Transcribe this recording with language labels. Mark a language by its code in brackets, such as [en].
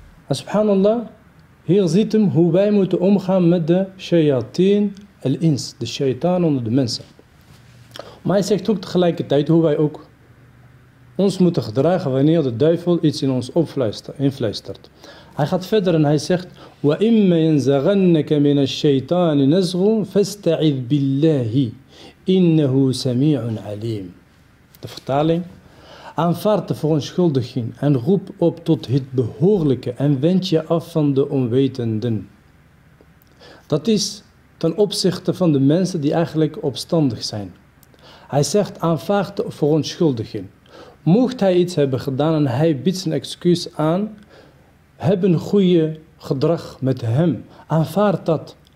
[nl] Subhanallah, hier ziet hem hoe wij moeten omgaan met de shayateen al-ins, de shaitaan onder de mensen. Maar hij zegt ook tegelijkertijd hoe wij ook ons moeten gedragen wanneer de duivel iets in ons influistert. Hij gaat verder en hij zegt: [ar] وَإِمَّا يَنْزَغَنَّكَ مِنَ الشَّيْطَانِ نَزْغٌ فَاسْتَعِذْ بِاللَّهِ إِنَّهُ سَمِيعٌ عَلِيمٌ. [nl] De vertaling: aanvaard de verontschuldiging en roep op tot het behoorlijke en wend je af van de onwetenden. Dat is ten opzichte van de mensen die eigenlijk opstandig zijn. Hij zegt: aanvaard de verontschuldiging. Mocht hij iets hebben gedaan en hij biedt zijn excuus aan, heb een goede gedrag met hem. Aanvaard dat.